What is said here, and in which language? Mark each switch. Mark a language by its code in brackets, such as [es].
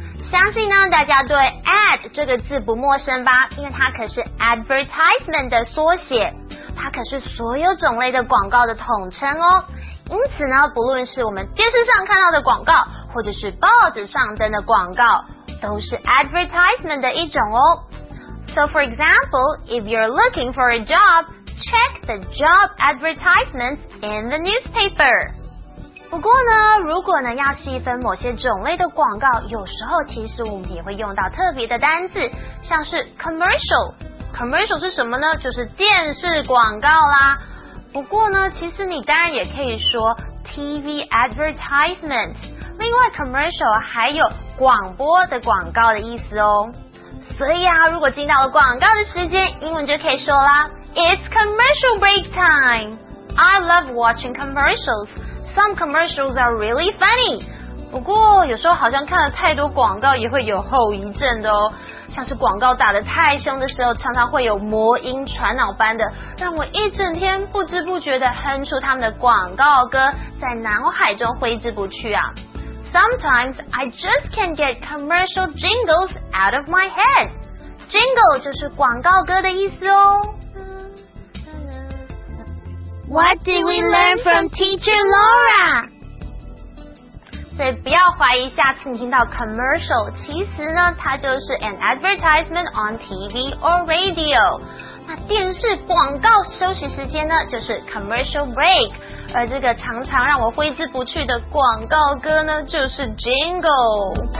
[zh] 相信呢，大家对 ad 这个字不陌生吧？因为它可是 advertisement 的缩写，它可是所有种类的广告的统称哦。因此呢，不论是我们电视上看到的广告，或者是报纸上登的广告，都是 advertisement 的一种哦。 [en] So for example, if you're looking for a job, check the job advertisements in the newspaper. [zh] 不过呢，如果呢要细分某些种类的广告，有时候其实我们也会用到特别的单字，像是 commercial。 commercial 是什么呢？就是电视广告啦。不过呢，其实你当然也可以说 [en] TV advertisement。 [zh] 另外 commercial 还有广播的广告的意思哦。所以啊，如果进到了广告的时间，英文就可以说啦 ， [en] It's commercial break time. I love watching commercials. Some commercials are really funny. [zh] 不过有时候好像看了太多广告也会有后遗症的哦。像是广告打得太凶的时候，常常会有魔音传脑般的，让我一整天不知不觉地哼出他们的广告歌，在脑海中挥之不去啊。 [en] Sometimes I just can't get commercial jingles out of my head. [zh] Jingle 就是广告歌的意思哦。 [en] What did we learn from Teacher Laura? [zh] 所以不要怀疑下次你听到 commercial， 其实呢，它就是 [en] an advertisement on TV or radio。 [zh] 那电视广告休息时间呢，就是 commercial break。而这个常常让我挥之不去的广告歌呢，就是 jingle。